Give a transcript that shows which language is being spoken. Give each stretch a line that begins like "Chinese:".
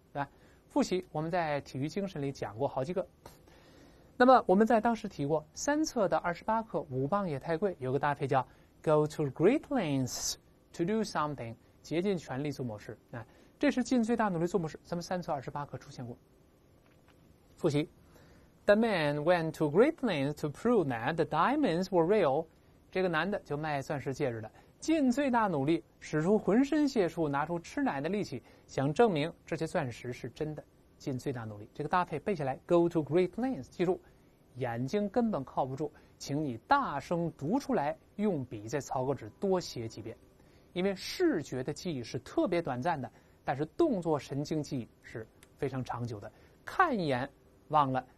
Chinese: 来，复习我们在体育精神里讲过好几个。那么我们在当时提过三册的28课五磅也太贵，有个搭配叫
English: go to great lengths to do something,
Chinese: 竭尽全力做某事。来，这是尽最大努力做某事，咱们三册28课出现过。复习，
English: The man went to great lengths to prove that the diamonds were real.
Chinese: 这个男的就卖钻石戒指的，尽最大努力，使出浑身解数，拿出吃奶的力气，想证明这些钻石是真的。尽最大努力，这个搭配背下来 ，
English: go to great lengths.
Chinese: 记住，眼睛根本靠不住，请你大声读出来，用笔在草稿纸多写几遍，因为视觉的记忆是特别短暂的，但是动作神经记忆是非常长久的，看一眼忘了。